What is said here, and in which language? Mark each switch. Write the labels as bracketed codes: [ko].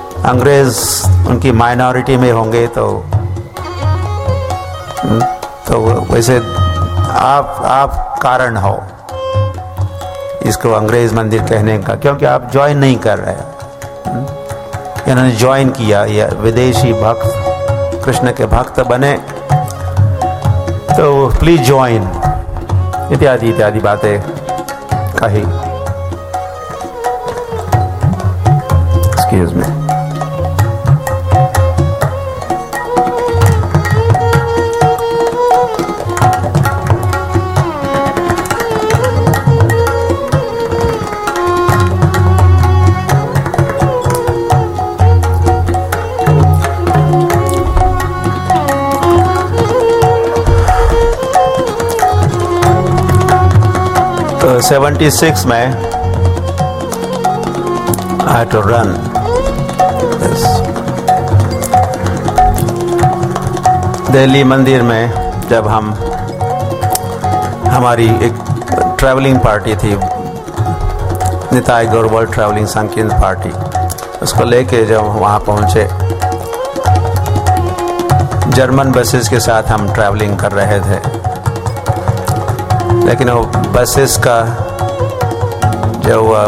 [hi] अंग्रेज उनकी माइनॉरिटी में होंगे, तो वैसे आप कारण हो इसको अंग्रेज मंदिर कहने का, क्योंकि आप ज्वाइन नहीं कर रहे, इन्होंने ज्वाइन किया या विदेशी भक्त कृष्ण के भक्त बने, तो प्लीज ज्वाइन, इत्यादि इत्यादि बातें कही। [en] Excuse me, '76 में I had to run this. [hi] Delhi मंदिर में जब हम, हमारी एक ट्रैवलिंग पार्टी थी, निताई गोरवाल ट्रैवलिंग संकीर्ण पार्टी, उसको लेके जब वहां पहुंचे, जर्मन बसेस के साथ हम ट्रैवलिंग कर रहे थे, लेकिन वो बसेस का जो